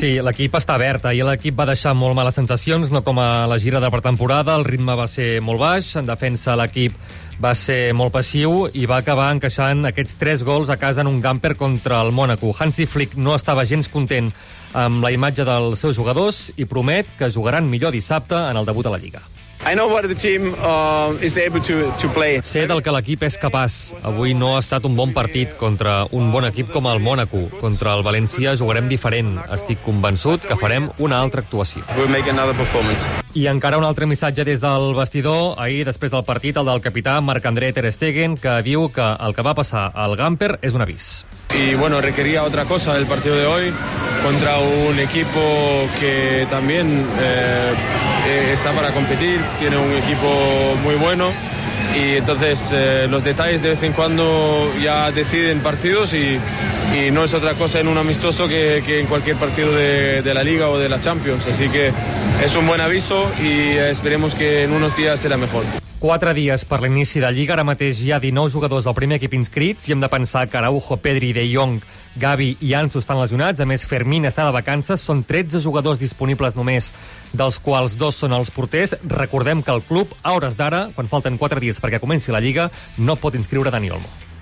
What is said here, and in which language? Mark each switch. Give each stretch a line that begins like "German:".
Catalan: Sí, l'equip està verd, i l'equip va deixar molt males sensacions, no com a la gira de pretemporada, el ritme va ser molt baix, en defensa l'equip va ser molt passiu i va acabar encaixant aquests 3 gols a casa en un gàmper contra el Mònaco. Hansi Flick no estava gens content amb la imatge dels seus jugadors i promet que jugaran millor dissabte en el debut a la Lliga.
English: I know what the team is able to play.
Catalan: Sé del que l'equip és capaç. Avui no ha estat un bon partit contra un bon equip com el Mònaco. Contra el València jugarem diferent. Estic convençut que farem una altra actuació.
English: We'll make another performance.
Catalan: I encara un altre missatge des del vestidor. Ahir, després del partit, el del capità Marc-André Ter Stegen, que diu que el que va passar al Gamper és un avís.
Spanish: Y bueno, requería otra cosa del partido de hoy contra un equipo que también está para competir, tiene un equipo muy bueno y entonces los detalles de vez en cuando ya deciden partidos y no es otra cosa en un amistoso que en cualquier partido de la Liga o de la Champions. Así que es un buen aviso y esperemos que en unos días será mejor.
Catalan: 4 dies per l'inici de Lliga, ara mateix hi ha 19 jugadors del primer equip inscrits i hem de pensar que Araujo, Pedri, De Jong, Gavi i Ansu estan lesionats, a més Fermín està de vacances, són 13 jugadors disponibles només, dels quals dos són els porters. Recordem que el club, a hores d'ara, quan falten 4 dies perquè comenci la Lliga, no pot inscriure Dani Olmo.